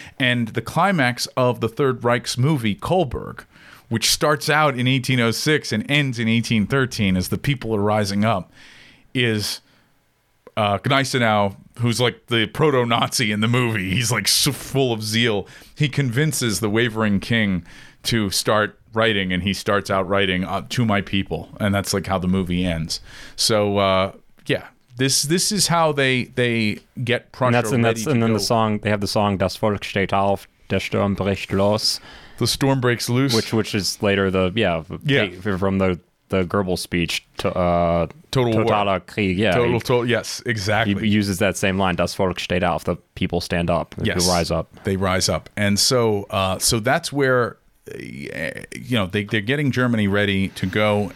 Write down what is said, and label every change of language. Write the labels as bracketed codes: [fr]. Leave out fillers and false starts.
[en] And the climax of the Third Reich's movie, Kohlberg, which starts out in 1806 and ends in 1813 as the people are rising up, is Gneisenau, who's like the proto-Nazi in the movie. He's like so full of zeal. He convinces the wavering king to start writing, and he starts out writing to my people. And that's like how the movie ends. So yeah, this is how they get Prussia ready. The song, they have the song, [de] Das Volk steht auf, der Sturm bricht los. [en] The storm breaks loose. Which is later from the Goebbels speech, [de] Total Krieg. [en] Yeah. Yes, exactly. He uses that same line, [de] Das Volk steht auf, [en] the people stand up, They rise up. And so so that's where, you know, they're getting Germany ready to go.